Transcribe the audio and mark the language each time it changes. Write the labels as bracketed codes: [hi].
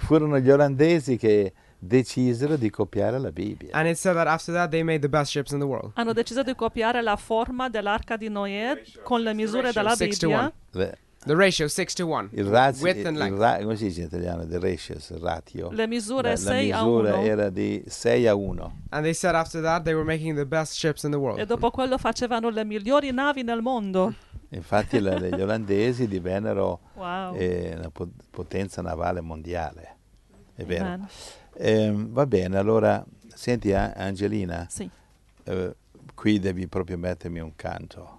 [it] Furono gli olandesi che decisero di copiare la Bibbia. [en] And it said that after that they made the best ships in the world. [it] Hanno deciso di copiare la forma dell'arca di Noè con le misure della Bibbia. [en] 6-1. The ratio 6-1. [it] Il [en] ratio, width and length. [it] Come si dice in italiano? [en] The ratio, [it] il ratio. Le misure 6-1. La misura era di 6-1. [en] And they said after that they were making the best ships in the world. [it] E dopo quello facevano le migliori navi nel mondo. Infatti gli olandesi divennero una potenza navale mondiale. È Amen. Vero. Va bene, allora, senti Angelina. Sì. Qui devi proprio mettermi un canto.